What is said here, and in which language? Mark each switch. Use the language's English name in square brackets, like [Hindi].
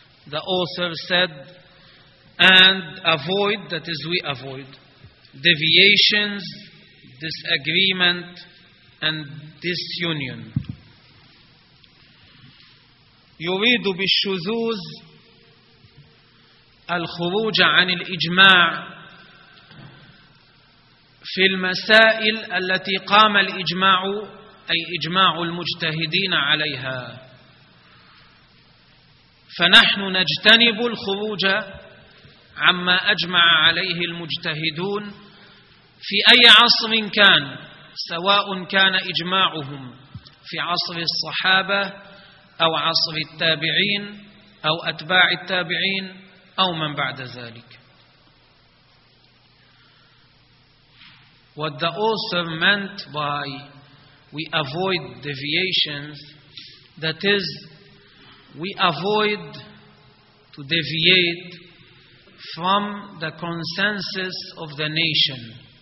[English] the author said, and avoid, that is, we avoid, deviations, disagreement, and disunion. [Arabic] يريد بالشذوذ الخروج عن الإجماع في المسائل التي قام الإجماع أي إجماع المجتهدين عليها فنحن نجتنب الخروج عما أجمع عليه المجتهدون في أي عصر كان سواء كان إجماعهم في عصر الصحابة أو عصر التابعين أو أتباع التابعين أو من بعد ذلك. [English] What the author meant by we avoid deviations, that is, we avoid to deviate from the consensus of the nation.